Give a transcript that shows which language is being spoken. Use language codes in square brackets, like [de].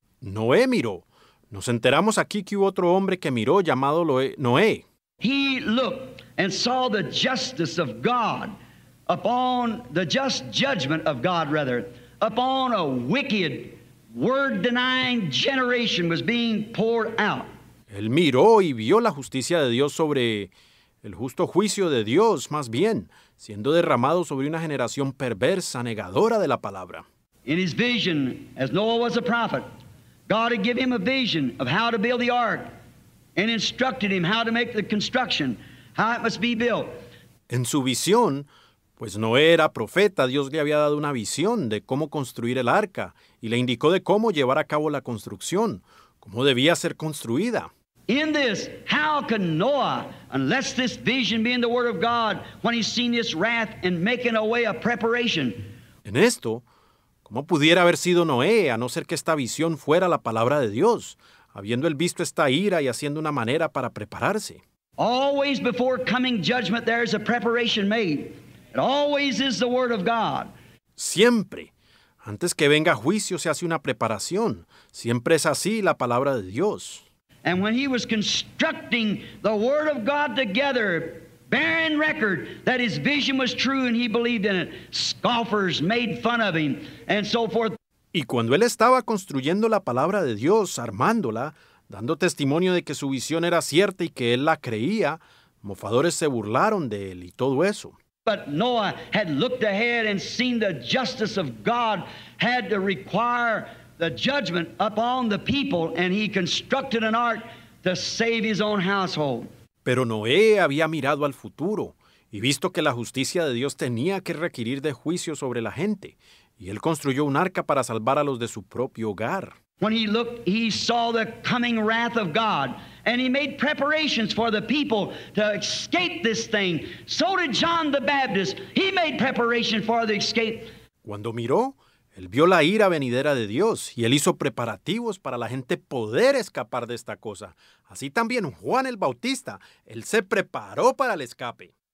[es] Noé miró. Nos enteramos aquí que hubo otro hombre que miró llamado Noé. [en] He looked and saw the justice of God upon the just judgment of God, rather, upon a wicked, word-denying generation was being poured out. [es] Él miró y vio la justicia de Dios sobre el justo juicio de Dios, más bien, siendo derramado sobre una generación perversa, negadora de la palabra. [en] In his vision, as Noah was a prophet, God had given him a vision of how to build the ark and instructed him how to make the construction, how it must be built. [es] En su visión, pues Noé era profeta, Dios le había dado una visión de cómo construir el arca y le indicó de cómo llevar a cabo la construcción, cómo debía ser construida. [en] In this, how can Noah, unless this vision be in the word of God, when he's seen this wrath and making a way of preparation? [es] En esto, ¿cómo pudiera haber sido Noé, a no ser que esta visión fuera la palabra de Dios, habiendo él visto esta ira y haciendo una manera para prepararse? [en] Always before coming judgment, there is a preparation made. It always is the word of God. [es] Siempre, antes que venga juicio, se hace una preparación. Siempre es así la palabra de Dios. [en] And when he was constructing the word of God together, bearing record that his vision was true and he believed in it, scoffers made fun of him, and so forth. [es] Y cuando él estaba construyendo la palabra de Dios, armándola, dando testimonio de que su visión era cierta y que él la creía, mofadores se burlaron de él y todo eso. [en] But Noah had looked ahead and seen the justice of God had to require the judgment upon the people, and he constructed an ark to save his own household. [es] Pero Noé había mirado al futuro y visto que la justicia de Dios tenía que requerir de juicio sobre la gente, y él construyó un arca para salvar a los de su propio hogar. [en] When he looked, he saw the coming wrath of God, and he made preparations for the people to escape this thing. So did John the Baptist. He made preparation for the escape. [es] Cuando miró, él vio la ira venidera de Dios y él hizo preparativos para la gente poder escapar de esta cosa. Así también Juan el Bautista, él se preparó para el escape.